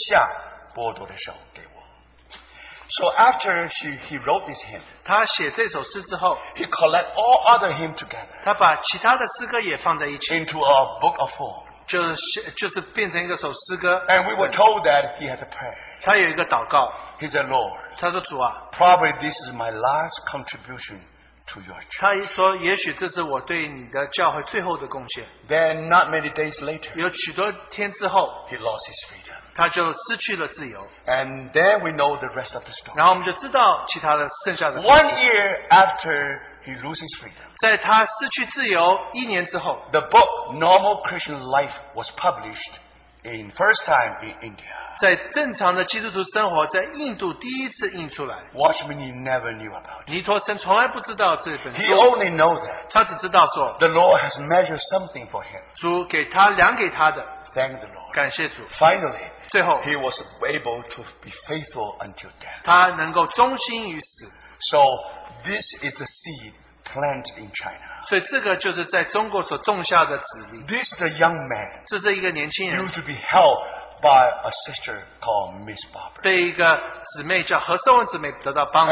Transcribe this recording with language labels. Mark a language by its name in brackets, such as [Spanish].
[Chinese] 你将车辆赐予别人乘坐，你使他们从我头上扎过，我的所有你正下手剥夺，请你留下剥夺的手给我。 [English] So after he wrote this hymn, [Chinese] 他写这首诗之后, [English] he collected all other hymns together, [Chinese] 他把其他的诗歌也放在一起, [English] into a book of four. [Chinese] 就是变成一个首诗歌, [English] and we were told that he had a prayer. [Chinese] 他有一个祷告, [English] he said, Lord, [Chinese] 他说主啊, [English] probably this is my last contribution to your church. [Chinese] 他说也许这是我对你的教会最后的贡献。 [English] Then not many days later, [Chinese] 有许多天之后, [English] he lost his freedom. [Chinese] 他就失去了自由, [English] and then we know the rest of the story. [Chinese] 然后我们就知道其他的剩下的, [English] one year after he loses freedom, [Chinese] 在他失去自由一年之后, [English] the book Normal Christian Life was published in first time in India. [Chinese] 在正常的基督徒生活在印度第一次印出来, [English] Watchman never knew about it. [Chinese] 尼托森从来不知道这本书, [English] he only knows that [Chinese] 他只知道说, [English] the Lord has measured something for him. [Chinese] 主给他量给他的, [English] thank the Lord. [Chinese] 感谢主, [English] finally, [Chinese] 最后, [English] he was able to be faithful until death. [Chinese] 他能够忠心于死。 [English] So this is the seed planted in China. [Chinese] 所以这个就是在中国所种下的籽粒。 [English] This is the young man. [Chinese] 这是一个年轻人。 [English] Used to be held by a sister called Miss Barbara. [Chinese] 被一个姊妹叫何寿文姊妹得到帮助。